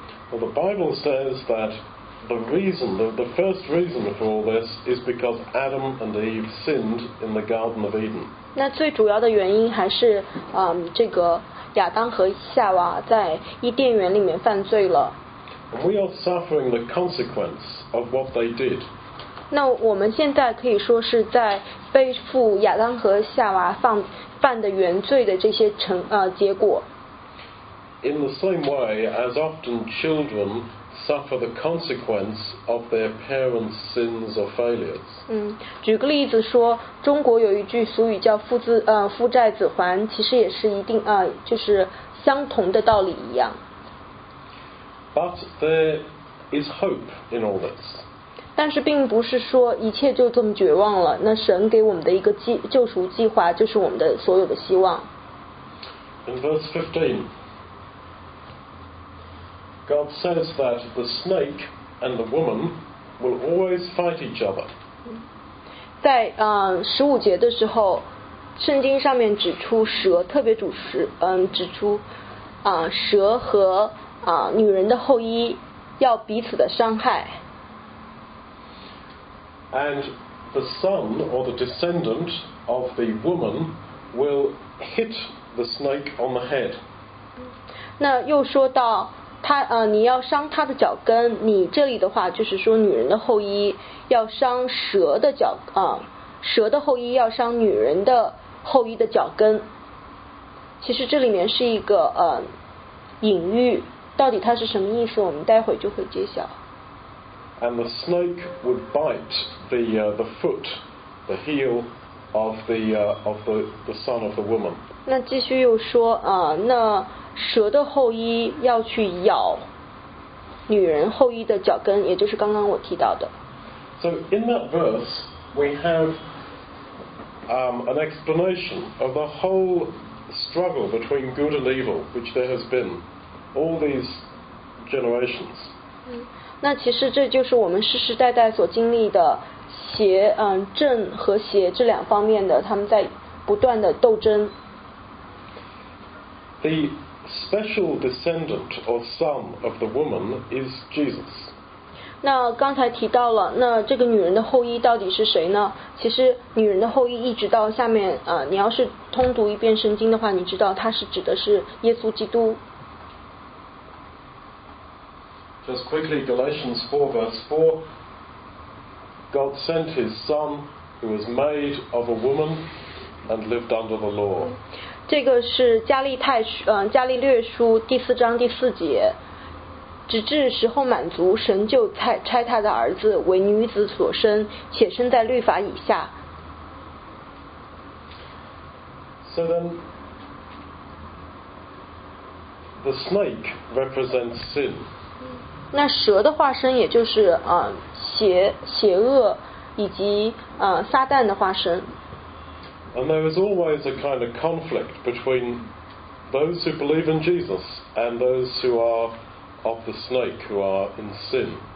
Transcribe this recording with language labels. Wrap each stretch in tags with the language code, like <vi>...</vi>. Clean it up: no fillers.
<en>Well, the Bible says that the reason, the first reason for all this is because Adam and Eve sinned in the Garden of Eden.</en> <zh>那最主要的原因还是这个亚当和夏娃在伊甸园里面犯罪了。</zh> <en>And we are suffering the consequence of what they did.</en> <zh>那我们现在可以说是在背负亚当和夏娃犯的原罪的这些结果。</zh> <en>In the same way, as often children suffer the consequence of their parents' sins or failures.</en> <zh>举个例子说，中国有一句俗语叫父债子还，其实也是一定就是相同的道理一样。</zh> <en>But there is hope in all this.</en> <zh>但是并不是说一切就这么绝望了，那神给我们的一个救赎计划就是我们的所有的希望。</zh> <en>In verse 15,God says that the snake and the woman will always fight each other.</en> <zh>在十五节的时候，圣经上面指出蛇，特别指出蛇和女人的后裔要彼此的伤害。</zh> <en>And the son or the descendant of the woman will hit the snake on the head.</en> <zh>那又说到。你要伤他的脚跟，你这里的话就是说女人的后裔要伤蛇的脚蛇的后裔要伤女人的后裔的脚跟。其实这里面是一个隐喻，到底它是什么意思，我们待会就会揭晓。</zh> <en>And the snake would bite the foot, the heel of the son of the woman.</en> <zh>那继续又说那蛇的后裔要去咬女人后裔的脚跟，也就是刚刚我提到的。</zh> <en>So in that verse, we have an explanation of the whole struggle between good and evil, which there has been all these generations.</en> <zh>那其实这就是我们世世代代所经历的邪正和邪这两方面的，他们在不断的斗争。</zh> <en>The special descendant or son of the woman is Jesus.</en> <zh>那刚才提到了，那这个女人的后裔到底是谁呢？其实女人的后裔一直到下面你要是通读一遍圣经的话，你知道它是指的是耶稣基督。</zh> <en>Just quickly, Galatians 4 verse 4, God sent his son who was made of a woman and lived under the law.</en> <zh>这个是加利略书第四章第四节，直至时候满足，神就差他的儿子为女子所生，且生在律法以下。</zh> <en>So then, the snake represents sin.</en> <zh>那蛇的化身也就是邪恶以及撒旦的化身。</zh> <en>And there is always a kind of conflict between those who believe in Jesus and those who are of the snake, who are in sin.</en>